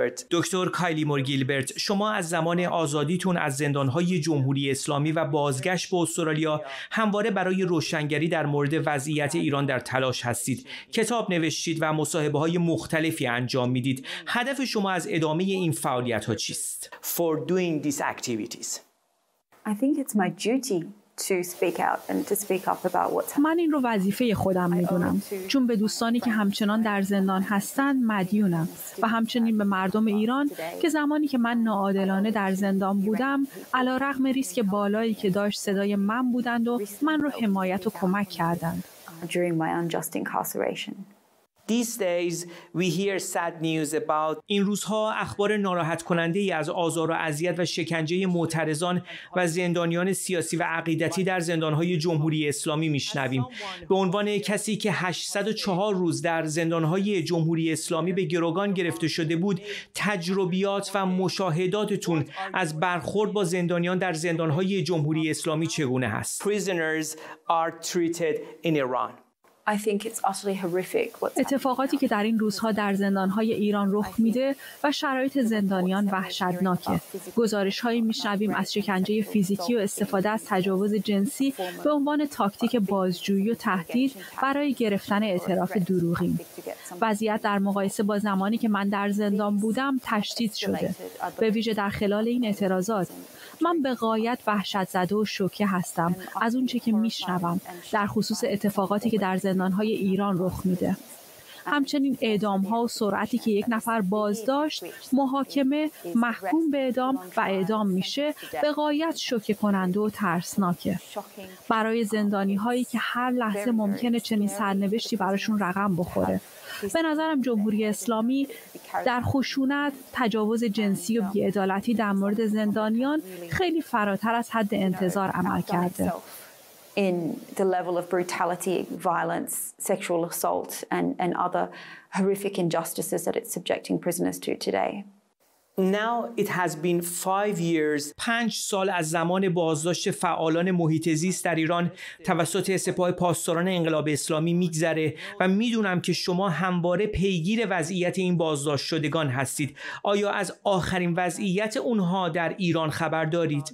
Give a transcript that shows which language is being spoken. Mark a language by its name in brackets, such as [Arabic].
[Persian] دکتر کایلی مور گیلبرت، شما از زمان آزادیتون از زندانهای جمهوری اسلامی و بازگشت به استرالیا همواره برای روشنگری در مورد وضعیت ایران در تلاش هستید. کتاب نوشتید و مصاحبه‌های مختلفی انجام میدید. هدف شما از ادامه این فعالیت‌ها چیست؟ [English] For doing these activities. I think it's my duty to speak out and to speak up about what's happening. [Persian] من این رو وظیفه خودم میدونم، چون به دوستانی که همچنان در زندان هستن مدیونم و همچنین به مردم ایران که زمانی که من ناعادلانه در زندان بودم علارغم ریسک بالایی که داشت صدای من بودند و من رو حمایت و کمک کردند. [English] During my unjust incarceration. These days we hear sad news about. [Persian] این روزها اخبار ناراحت کننده ای از آزار و اذیت و شکنجه معترضان و زندانیان سیاسی و عقیدتی در زندانهای جمهوری اسلامی میشنویم. به عنوان کسی که 804 روز در زندانهای جمهوری اسلامی به گروگان گرفته شده بود، تجربیات و مشاهداتتون از برخورد با زندانیان در زندانهای جمهوری اسلامی چگونه هست؟ [English] Prisoners are treated in Iran. I think it's utterly horrific what's [Persian] اتفاقاتی که در این روزها در زندان‌های ایران رخ میده و شرایط زندانیان وحشتناکه. گزارش‌هایی می‌شنویم از شکنجه فیزیکی و استفاده از تجاوز جنسی به عنوان تاکتیک بازجویی و تهدید برای گرفتن اعتراف دروغین. وضعیت در مقایسه با زمانی که من در زندان بودم تشدید شده، به ویژه در خلال این اعتراضات. من به غایت وحشت زده و شوکه هستم از اون چه که میشنوم در خصوص اتفاقاتی که در زندان‌های ایران رخ میده. همچنین اعدام‌ها و سرعتی که یک نفر بازداشت، محاکمه، محکوم به اعدام و اعدام میشه به غایت شوکه کننده و ترسناکه. برای زندانی‌هایی که هر لحظه ممکنه چنین سرنوشتی براشون رقم بخوره. به نظرم جمهوری اسلامی در خشونت، تجاوز جنسی و بی‌عدالتی در مورد زندانیان خیلی فراتر از حد انتظار عمل کرده. [English] In the level of brutality, violence, sexual assault and other horrific injustices that it's subjecting prisoners to today. Now it has been 5 years. [Persian] 5 سال از زمان بازداشت فعالان محیط زیست در ایران توسط سپاه پاسداران انقلاب اسلامی میگذره و میدونم که شما همواره پیگیر وضعیت این بازداشت شدگان هستید. آیا از آخرین وضعیت اونها در ایران خبر دارید؟